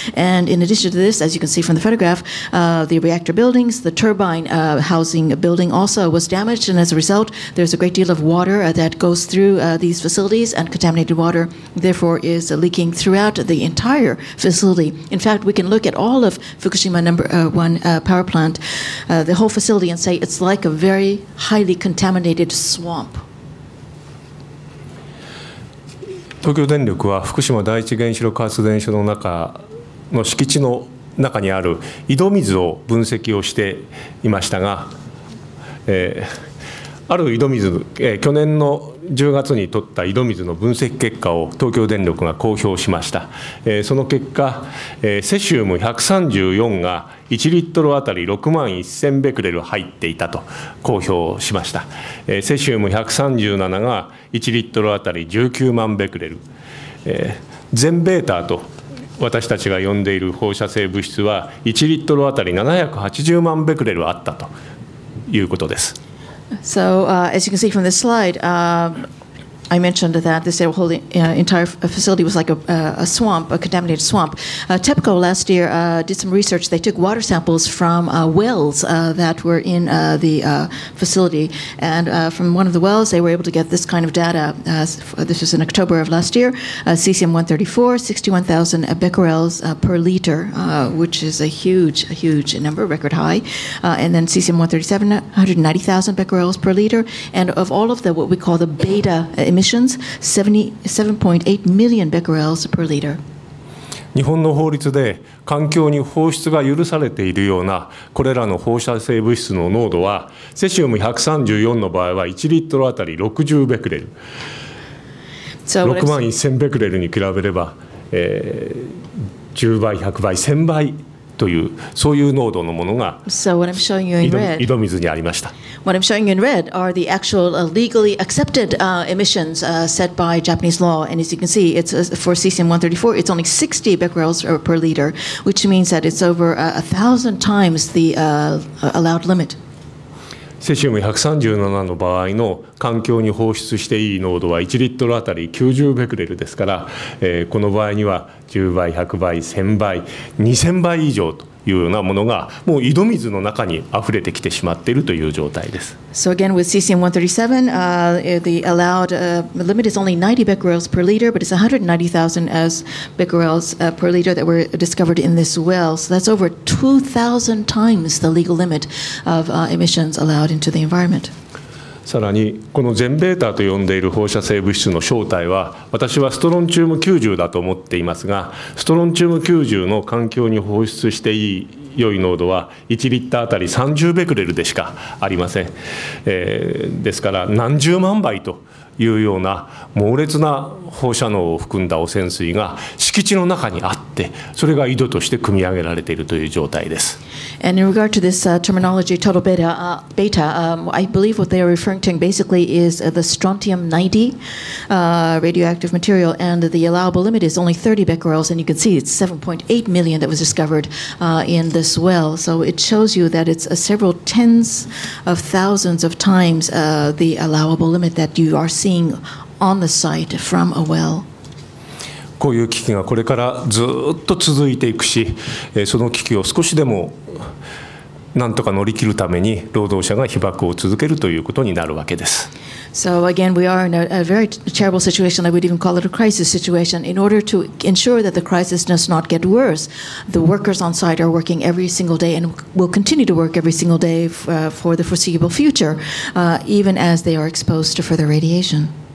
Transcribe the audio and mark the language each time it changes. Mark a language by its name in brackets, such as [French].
[English] And in addition to this, as you can see from the photograph, the reactor buildings, the turbine housing building also was damaged, and as a result, there's a great deal of water that goes through these facilities, and contaminated water therefore is leaking throughout the entire facility. In fact, we can look at all of Fukushima number one power plant, the whole facility, and say it's like a very highly contaminated swamp. [Japanese] 東京電力は福島第一原子力発電所の中の敷地の中にある井戸水を分析をしていましたが、ある井戸水、去年の10月に取った井戸水の分析結果を東京電力が公表しました。その結果、セシウム134が1リットルあたり6万1000ベクレル入っていたと公表しました。セシウム137が1リットルあたり19万ベクレル。ゼンベーターと私たちが呼んでいる放射性物質は1リットルあたり780万ベクレルあったということです。 [English] So, as you can see from this slide, I mentioned that this whole entire facility was like a swamp, a contaminated swamp. TEPCO last year did some research. They took water samples from wells that were in the facility. And from one of the wells, they were able to get this kind of data. This was in October of last year. Cesium-134, 61,000 becquerels per liter, which is a huge, huge number, record high. And then cesium-137, 190,000 becquerels per liter. And of all of the, what we call the beta emissions, 77.8 million becquerels per liter. [Japanese] 日本の法律で環境に放出が許されているようなこれらの放射性物質の濃度はセシウム134の場合は1リットルあたり60ベクレル、6万1000ベクレルに比べれば、10倍、100倍、1000倍というそういう濃度のものが井戸水にありました。 [English] What I'm showing you in red are the actual legally accepted emissions set by Japanese law. And as you can see, it's for cesium-134, it's only 60 becquerels per liter, which means that it's over 1,000 times the allowed limit. [Japanese] セシウム137の場合の環境に放出していい濃度は1リットルあたり90ベクレルですから、この場合には10倍、100倍、1000倍、2000倍以上と。いうようなものがもう井戸水の中に溢れてきてしまっているという状態です。 [English] So again, with cesium-137, the allowed limit is only 90 becquerels per liter, but it's 190,000 as becquerels per liter that were discovered in this well. So that's over 2,000 times the legal limit of emissions allowed into the environment. [Japanese] さらにこのゼンベータと呼んでいる放射性物質の正体は、私はストロンチウム90だと思っていますが、ストロンチウム90の環境に放出していい良い濃度は1リッターあたり30ベクレルでしかありません。ですから何十万倍というような猛烈な放射能を含んだ汚染水が敷地の中にあって、それが井戸として組み上げられているという状態です。 [English] And in regard to this terminology, total beta, I believe what they are referring to basically is the strontium-90 radioactive material, and the allowable limit is only 30 becquerels, and you can see it's 7.8 million that was discovered in this well. So it shows you that it's several tens of thousands of times the allowable limit that you are seeing on the site from a well. [Japanese] こういう危機がこれからずっと続いていくし、その危機を少しでもなんとか乗り切るために労働者が被爆を続けるということになるわけです。 [English] So again, we are in a very terrible situation. I would even call it a crisis situation. In order to ensure that the crisis does not get worse, the workers on site are working every single day and will continue to work every single day for the foreseeable future, even as they are exposed to further radiation.